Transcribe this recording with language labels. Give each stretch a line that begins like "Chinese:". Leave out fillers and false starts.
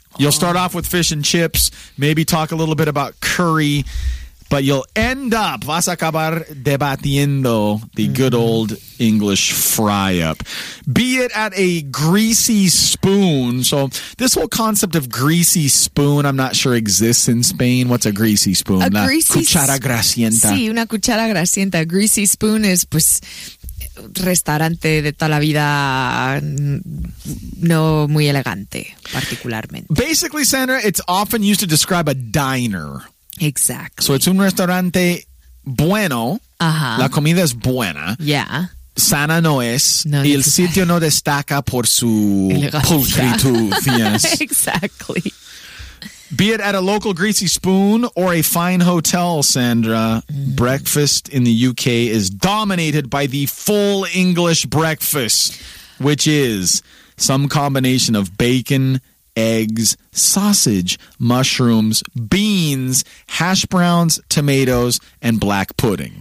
English: You'll start off with fish and chips, maybe talk a little bit about curry, but you'll end up,
Spanish: vas a acabar debatiendo
English: the good old English fry up. Be it at a greasy spoon. So this whole concept of greasy spoon, I'm not sure exists in Spain. What's a greasy spoon? A greasy
Spanish: cuchara grasienta. Sí, una cuchara grasienta.
English: A greasy spoon is,
Spanish: pues, restaurante de toda la vida, no muy elegante, particularmente.
English: Basically, Sandra, it's often used to describe a diner. Exactly. So it's
Spanish: un restaurante bueno.
English: Uh-huh.
Spanish: La comida es buena.
English: Yeah.
Spanish: Sana no es. No, y el sitio no destaca por su pulcritud.
English: Yes. Exactly. Be it at a local greasy spoon or a fine hotel, Sandra, breakfast in the UK is dominated by the full English breakfast, which is some combination of bacon, eggs, sausage, mushrooms, beans, hash browns, tomatoes, and black pudding.